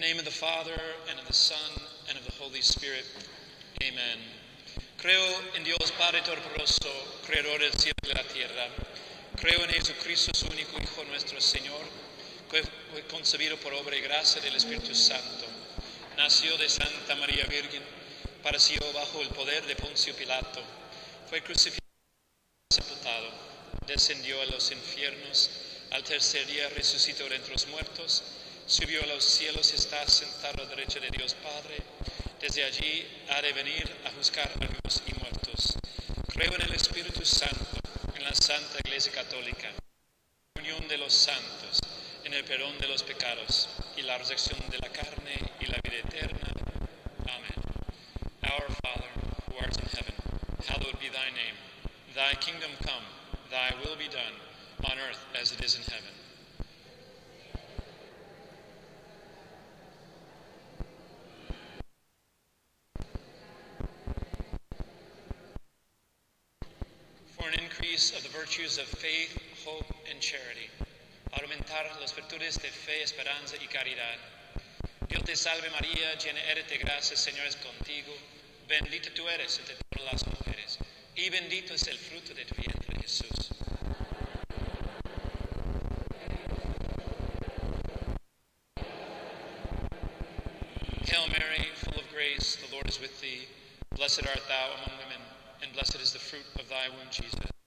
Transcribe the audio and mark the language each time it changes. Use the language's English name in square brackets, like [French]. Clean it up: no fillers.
[English] Father, and of the Son, and of the Holy Spirit. Amen. [Spanish] Creo en Dios Padre Todopoderoso, creador del cielo y de la tierra. Creo en Jesucristo, su único Hijo, nuestro Señor, que fue concebido por obra y gracia del Espíritu Santo. Nació de Santa María Virgen, padeció bajo el poder de Poncio Pilato. Fue crucificado y sepultado. Descendió a los infiernos. Al tercer día resucitó de entre los muertos. Subió a los cielos y está sentado a la derecha de Dios Padre. Desde allí ha de venir a juzgar a vivos y muertos. Creo en el Espíritu Santo, en la Santa Iglesia Católica, en la unión de los santos, en el perdón de los pecados y la resurrección de la carne y la vida eterna. Amén. [English] Our Father, who art in heaven, hallowed be thy name. Thy kingdom come, thy will be done, on earth as it is in heaven. Of the virtues of faith, hope, and charity. [Spanish] Para aumentar las virtudes de fe, esperanza y caridad. Dios te salve María, llena eres de gracia, Señor es contigo. Bendita tú eres entre todas las mujeres, y bendito es el fruto de tu vientre, Jesús. [English] Hail Mary, full of grace, the Lord is with thee. Blessed art thou among women, and blessed is the fruit of thy womb, Jesus.